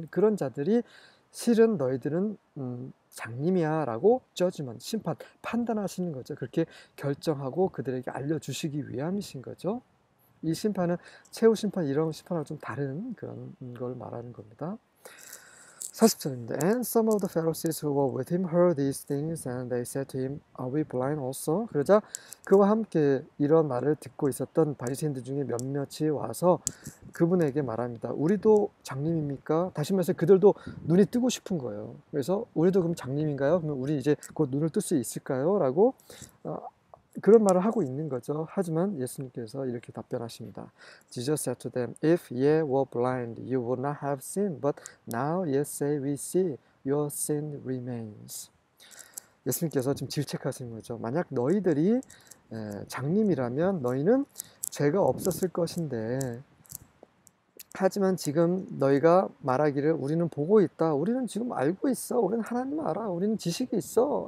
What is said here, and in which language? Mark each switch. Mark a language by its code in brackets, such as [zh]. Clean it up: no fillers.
[ko] 그런 자들이 실은 너희들은 장님이야라고 저지만 심판 판단하시는 거죠. 그렇게 결정하고 그들에게 알려주시기 위함이신 거죠. 이 심판은 최후 심판 이런 심판하고 좀 다른 그런 걸 말하는 겁니다. 40절인데 [en] And some of the Pharisees who were with him heard these things and they said to him, Are we blind also? [ko] 그러자 그와 함께 이런 말을 듣고 있었던 바리새인들 중에 몇몇이 와서 그분에게 말합니다. 우리도 장님입니까? 다시 말해서 그들도 눈이 뜨고 싶은 거예요. 그래서 우리도 그럼 장님인가요? 그러면 우리 이제 곧 눈을 뜰수 있을까요? 라고 그런 말을 하고 있는 거죠. 하지만 예수님께서 이렇게 답변하십니다. [en] Jesus said to them, If ye were blind, you would not have sin, but now ye say we see, your sin remains. [ko] 예수님께서 지금 질책하시는 거죠. 만약 너희들이 장님이라면 너희는 죄가 없었을 것인데, 하지만 지금 너희가 말하기를 우리는 보고 있다. 우리는 지금 알고 있어. 우리는 하나님 알아. 우리는 지식이 있어.